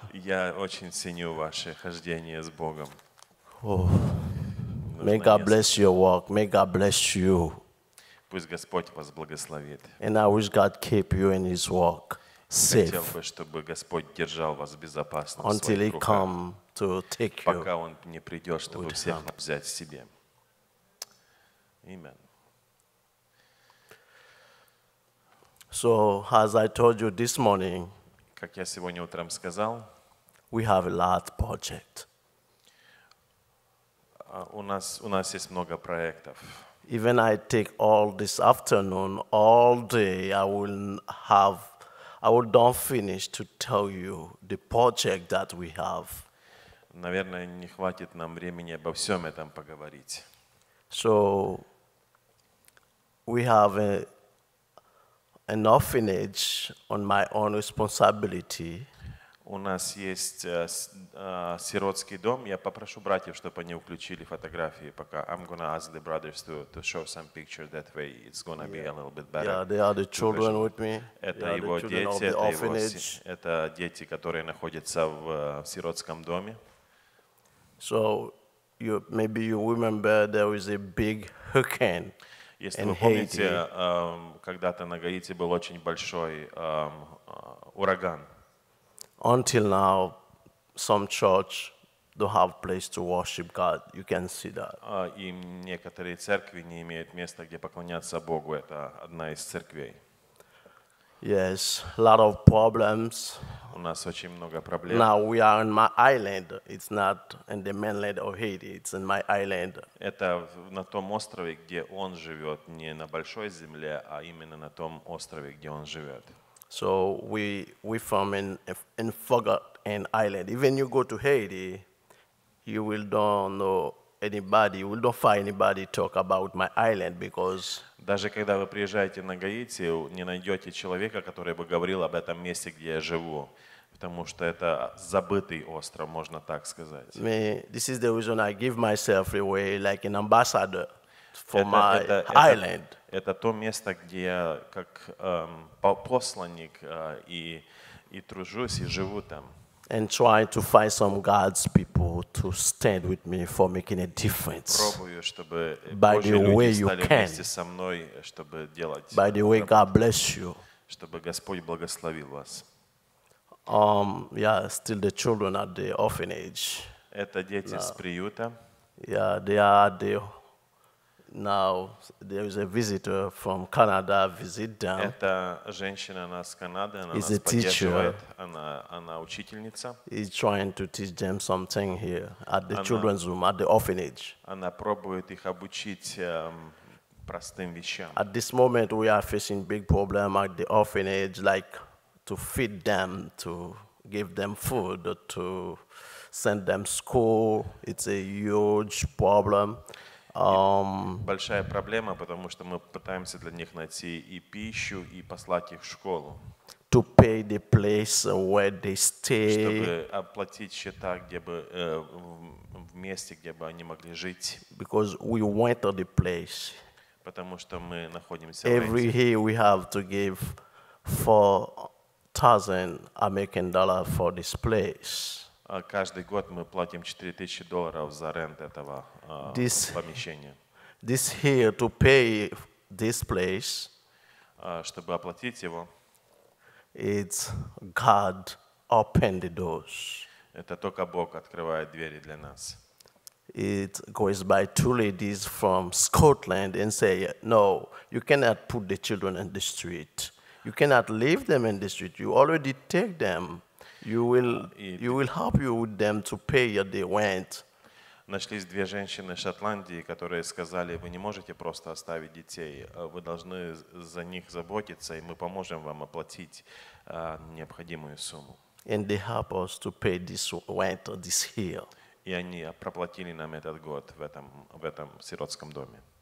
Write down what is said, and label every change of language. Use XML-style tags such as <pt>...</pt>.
<ru>Я очень ценю ваше хождение с Богом.</ru> <en>May God bless your walk. May God bless you.</en> <ru>Пусть Господь вас благословит.</ru> <en>And I wish God keep you in His walk safe.</en> <ru>Хотел бы, чтобы Господь держал вас безопасно.</ru> <en>Until He come to take you.</en> <ru>Пока Он не придет, чтобы всех взять себе.</ru> <en>Amen. So, as I told you this morning,</en> <ru>как я сегодня утром сказал,</ru> <en>we have a lot of projects.</en> <ru>У нас есть много проектов.</ru> <en>Even I take all this afternoon, all day, I will not finish to tell you the project that we have.</en> <ru>Наверное, не хватит нам времени обо всем этом поговорить.</ru> <en>So, we have an orphanage on my own responsibility.</en> <ru>У нас есть сиротский дом. Я попрошу братьев, чтобы они включили фотографии пока.</ru> <en>I'm going to ask the brothers to show some picture that way. It's going to be a little bit better. Yeah, they are the children with me.</en> <ru>Это его дети, это orphanage. Это дети, которые находятся в сиротском доме.</ru> <en>So, maybe you remember there is a big hurricane.</en> <ru>Если вы помните, когда-то на Гаити был очень большой ураган.</ru> <en>Until now, some church don't have place to worship God. You can see that.</en> <ru>И некоторые церкви не имеют места, где поклоняться Богу. Это одна из церквей.</ru> <en>Yes, a lot of problems.</en> <ru>У нас очень много проблем.</ru> <en>Now we are in my island. It's not in the mainland of Haiti. It's in my island.</en> <ru>Это на том острове, где он живет, не на большой земле, а именно на том острове, где он живет.</ru> <en>So we from in forgotten island. Even you go to Haiti, you will don't know anybody. You will not find anybody talk about my island because.</en> <ru>Даже когда вы приезжаете на Гаити, не найдете человека, который бы говорил об этом месте, где я живу, потому что это забытый остров, можно так сказать.</ru> <en>Me, this is the reason I give myself away like an ambassador for my island.</en> <ru>Это то место, где я как посланник и тружусь и живу там.</ru> <en>And try to find some God's people to stand with me for making a difference.</en> <ru>Пробую, чтобы Божьи люди стали вместе со мной, чтобы делать.</ru> <en>By the way, God bless you.</en> <ru>Чтобы Господь благословил вас.</ru> <en>Yeah, still the children at the orphanage.</en> <ru>Это дети с приюта.</ru> <en>Yeah, they are the Now there is a visitor from Canada visit down.</en> <ru>Эта женщина она с Канады, она нас поддерживает. Она учительница.</ru> <en>Is trying to teach them something here at the children's room at the orphanage.</en> <ru>Она пробует их обучить простым вещам.</ru> <en>At this moment we are facing big problem at the orphanage, like to feed them, to give them food, to send them school. It's a huge problem.</en> <ru>Большая проблема, потому что мы пытаемся для них найти и пищу, и послать их в школу.</ru> <en>To pay the place where they stay.</en> <ru>Чтобы оплатить счета, где бы в месте, где бы они могли жить.</ru> <en>Because we went to the place.</en> <ru>Потому что мы находимся.</ru> <en>Every year we have to give $4,000 for this place.</en> <ru>Каждый год мы платим $4,000 за аренд этого помещения.</ru> <en>This here to pay this place,</en> <ru>чтобы оплатить его.</ru> <en>It's God opened the doors.</en> <ru>Это только Бог открывает двери для нас.</ru> <en>It goes by two ladies from Scotland and say, no, you cannot put the children in the street. You cannot leave them in the street. You already take them. You will help you with them to pay your the rent.</en> <ru>Нашлись две женщины из Шотландии, которые сказали: вы не можете просто оставить детей, вы должны за них заботиться, и мы поможем вам оплатить необходимую сумму.</ru> <en>And they help us to pay this rent this year.</en> <ru>И они проплатили нам этот год в этом сиротском доме.</ru>